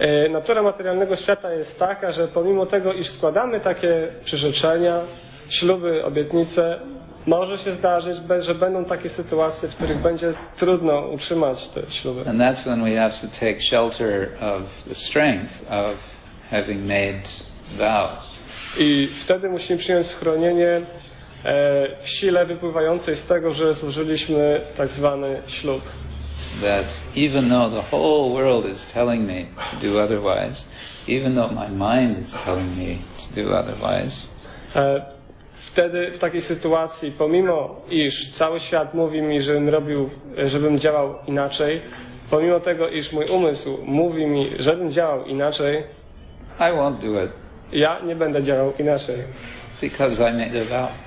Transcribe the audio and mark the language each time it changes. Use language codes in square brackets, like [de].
[pl] Natura materialnego świata jest taka, że pomimo tego, iż składamy takie przyrzeczenia, śluby, obietnice, może się zdarzyć, że będą takie sytuacje, w których będzie trudno utrzymać te śluby. [en] And that's when we have to take shelter of the strength of having made vows. [pl] I wtedy musimy przyjąć schronienie w sile wypływającej z tego, że złożyliśmy tak zwany ślub. [en] That even though the whole world is telling me to do otherwise, even though my mind is telling me to do otherwise. [pl] Wtedy w takiej sytuacji, pomimo iż cały świat mówi mi, żebym działał inaczej, pomimo tego, iż mój umysł mówi mi, żebym działał inaczej, [en] I won't do it. [pl] Ja nie będę działał inaczej. [en] Because I made a vow.